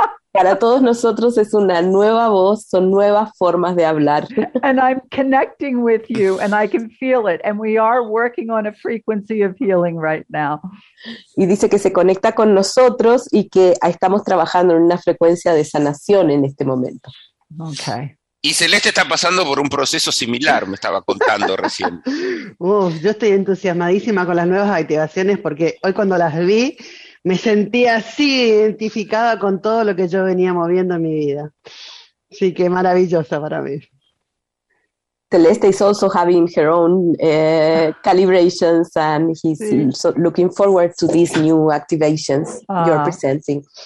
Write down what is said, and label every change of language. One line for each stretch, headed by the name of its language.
Spanish: Para todos nosotros es una nueva voz, son nuevas formas de hablar.
English: And I'm connecting with you and I can feel it, and we are working on a frequency of healing right now.
Spanish: Y dice que se conecta con nosotros y que estamos trabajando en una frecuencia de sanación en este momento. Okay. Y Celeste está pasando por un proceso similar, me estaba contando recién. Uf, yo estoy entusiasmadísima con las nuevas activaciones, porque hoy cuando las vi me sentí así identificada con todo lo que yo venía moviendo en mi vida. Así que maravillosa para mí.
English: Celeste is also having her own calibrations, and he's so looking forward to these new activations you're presenting.